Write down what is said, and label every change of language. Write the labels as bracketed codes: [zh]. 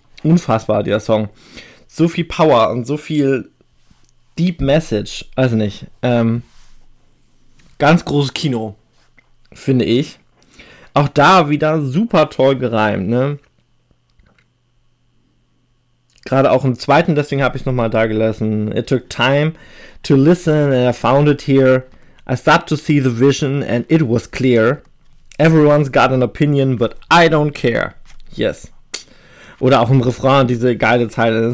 [de] Unfassbar, dieser Song. So viel Power und so viel Deep Message. Also nicht. Ganz großes Kino, finde ich. Auch da wieder super toll gereimt, ne? Gerade auch im zweiten, deswegen habe ich es nochmal da gelassen. [en] It took time to listen and I found it here. I stopped to see the vision and it was clear. Everyone's got an opinion, but I don't care. Yes. [de] Oder auch im Refrain diese geile Zeile.